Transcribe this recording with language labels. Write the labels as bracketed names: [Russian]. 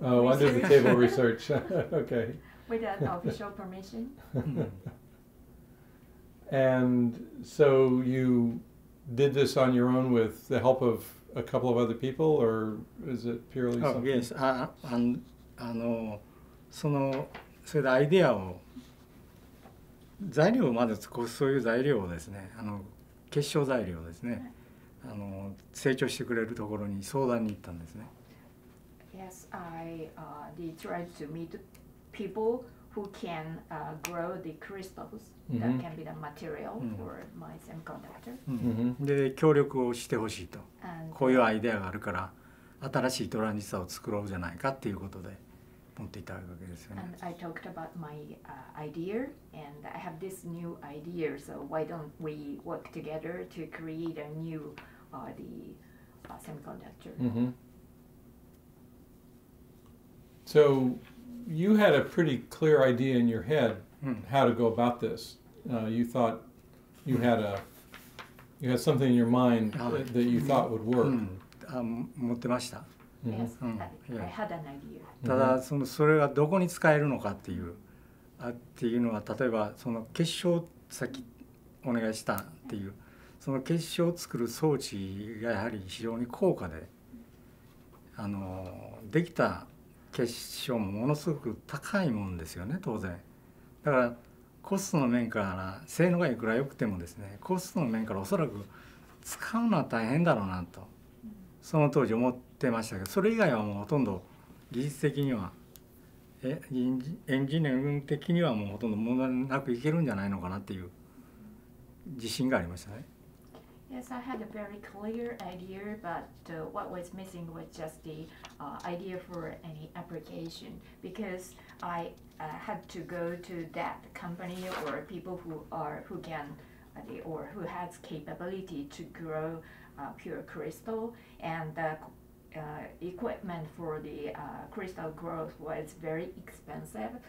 [English] Oh, research. Under the table research. Okay. With an official permission. And so you did this on your own with the help of a couple of other people, or is it purely something? Oh, yes. [Japanese] それアイデアを材料をまず作るそういう材料をですね結晶材料ですね成長してくれるところに相談に行ったんですね。 [English] Yes, I did try to meet people who can grow the crystals that can be the material for my semiconductor. [Japanese] で協力をしてほしいと、こういうアイデアがあるから新しいトランジスタを作ろうじゃないかっていうことで持っていたわけですよね。 [English] And I talked about my idea, and I have this new idea, so why don't we work together to create a new semiconductor? So you had a pretty clear idea in your head how to go about this. You thought you had something in your mind that you thought would work. [Japanese] 持ってました。 [English] Yes, I had an idea. [Japanese] ただそれがどこに使えるのかっていうっていうのは、例えばその結晶先お願いしたっていう、その結晶を作る装置がやはり非常に高価で、できた結晶もものすごく高いもんですよね、当然。だからコストの面から性能がいくら良くてもですね、コストの面からおそらく使うのは大変だろうなと、その当時思ってましたけど、それ以外はもうほとんど技術的にはエンジニアリング的にはもうほとんど問題なくいけるんじゃないのかなっていう自信がありましたね。 [English] Yes, I had a very clear idea, but what was missing was just the idea for any application, because I had to go to that company or people who has capability to growpure crystal, and the equipment for the crystal growth was very expensive.